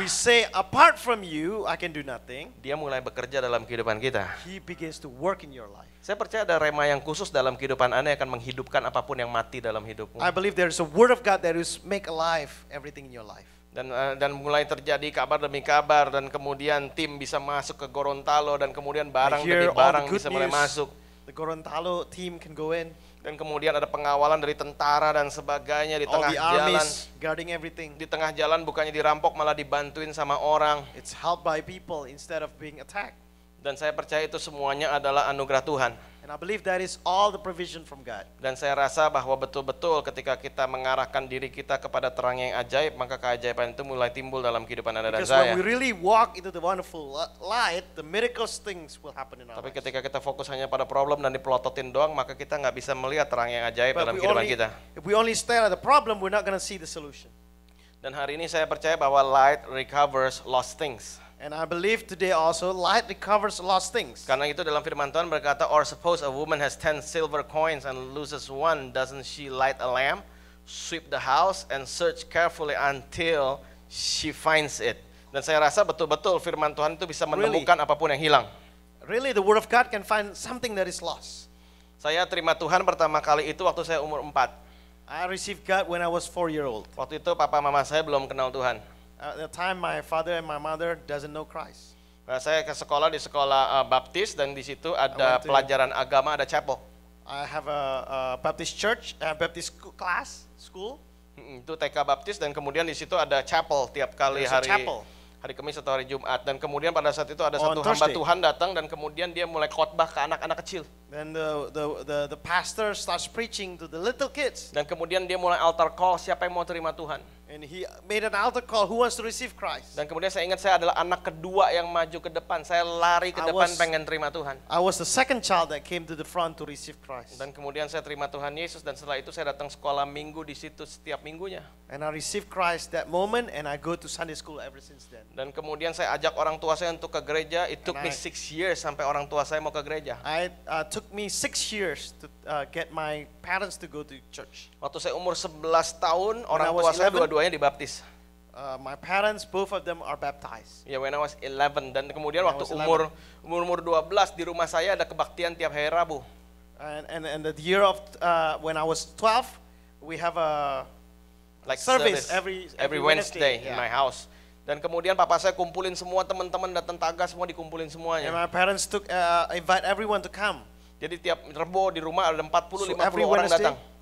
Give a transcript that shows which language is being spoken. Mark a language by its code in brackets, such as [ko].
[en] When we say apart from you I can do nothing. [id] Dia mulai bekerja dalam kehidupan kita. [en] He begins to work in your life. [id] Saya percaya ada rema yang khusus dalam kehidupan Anda yang akan menghidupkan apapun yang mati dalam hidupmu. [en] I believe there is a word of God that is make alive everything in your life. [id] Dan mulai terjadi kabar demi kabar dan kemudian tim bisa masuk ke Gorontalo dan kemudian barang demi barang bisa mulai masuk. [en] The Gorontalo team can go in. [id] Dan kemudian ada pengawalan dari tentara dan sebagainya di tengah jalan. [en] All the armies guarding everything. [id] Di tengah jalan bukannya dirampok malah dibantuin sama orang. [en] It's helped by people instead of being attacked. [id] Dan saya percaya itu semuanya adalah anugerah Tuhan. [en] And I believe that is all the provision from God. [id] Dan saya rasa bahwa betul-betul ketika kita mengarahkan diri kita kepada terang yang ajaib, maka keajaiban itu mulai timbul dalam kehidupan Anda dan saya. [en] When we really walk into the wonderful light, the miracles things will happen in our lives. [id] Tapi ketika kita fokus hanya pada problem dan dipelototin doang, maka kita enggak bisa melihat terang yang ajaib dalam kehidupan kita. [en] If we only stare at the problem, we're not going to see the solution. [id] Dan hari ini saya percaya bahwa [en] light recovers lost things. And I believe today also light recovers lost things. [id] Karena itu dalam firman Tuhan berkata, [en] or suppose a woman has 10 silver coins and loses one, doesn't she light a lamp, sweep the house and search carefully until she finds it. [id] Dan saya rasa betul-betul firman Tuhan itu bisa menemukan apapun yang hilang. [en] Really the word of God can find something that is lost. [id] Saya terima Tuhan pertama kali itu waktu saya umur 4. [en] I received God when I was 4 years old. [id] Waktu itu papa mama saya belum kenal Tuhan. [en] At the time my father and my mother doesn't know Christ. [id] Saya ke sekolah di sekolah Baptis dan di situ ada pelajaran agama, ada chapel. [en] I have a Baptist church, a Baptist class, school. [id] Itu TK Baptis dan kemudian di situ ada chapel tiap kali hari hari Kamis atau hari Jumat, dan kemudian pada saat itu ada satu hamba Tuhan datang dan kemudian dia mulai khotbah ke anak-anak kecil. [en] Then the pastor starts preaching to the little kids. [id] Dan kemudian dia mulai altar call siapa yang mau terima Tuhan. [en] And he made an altar call, who wants to receive Christ? [id] Dan kemudian saya ingat saya adalah anak kedua yang maju ke depan. Saya lari ke depan pengen terima Tuhan. [en] I was the second child that came to the front to receive Christ. [id] Dan kemudian saya terima Tuhan Yesus dan setelah itu saya datang sekolah minggu di situ setiap minggunya. [en] And I received Christ that moment and I go to Sunday school ever since then. [id] Dan kemudian saya ajak orang tua saya untuk ke gereja. [en] It took me 6 years [id] sampai orang tua saya mau ke gereja. [en] Took me 6 years to get my parents to go to church. [id] Waktu saya umur 11 tahun, orang tua saya dua-duanya dibaptis. [en] My parents, both of them are baptized. Yeah, when I was 11. [id] Dan kemudian waktu umur 12, di rumah saya ada kebaktian tiap hari Rabu. [en] And the year of when I was 12, we have a like service every Wednesday yeah. In my house. [id] Dan kemudian papa saya kumpulin semua teman-teman datang taga semua dikumpulin semuanya. [en] And my parents took invite everyone to come. [id] Jadi tiap Rebo di rumah ada 40-50 orang datang.